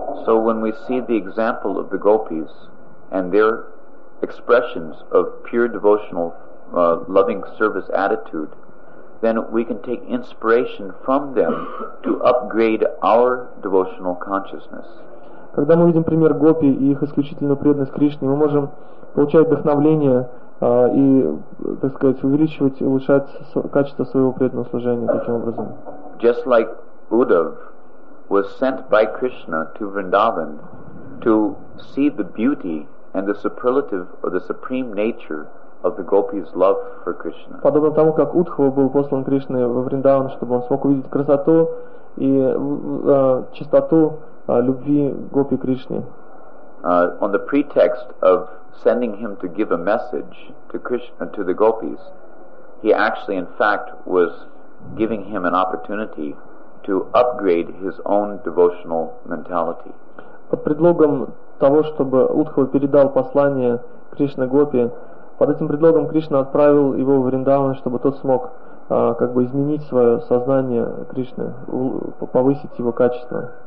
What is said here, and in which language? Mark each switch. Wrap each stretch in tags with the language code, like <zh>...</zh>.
<en>So when we see the example of the gopis and their expressions of pure devotional loving service attitude, then we can take inspiration from them to upgrade our devotional consciousness.</en> <ru>Когда мы видим пример гопи и их исключительную преданность Кришне, мы можем получать вдохновление и, так сказать, увеличивать, улучшать качество своего преданного служения таким образом.</ru> <en>Just like Uddhav was sent by Krishna to Vrindavan to see the beauty and the superlative or the supreme nature of the gopis' love for Krishna.</en> <ru>Подобно тому, как Удхава был послан Кришной во Вриндаван, чтобы он смог увидеть красоту и чистоту любви гопи Кришне.</ru> <en>On the pretext of sending him to give a message to Krishna, to the gopis, he actually, in fact, was giving him an opportunity to upgrade his own devotional mentality.</en> <ru>Под предлогом того, чтобы Удхава передал послание Кришне гопи, под этим предлогом Кришна отправил его в Вриндаван, чтобы тот смог как бы изменить свое сознание Кришны, повысить его качество.</ru>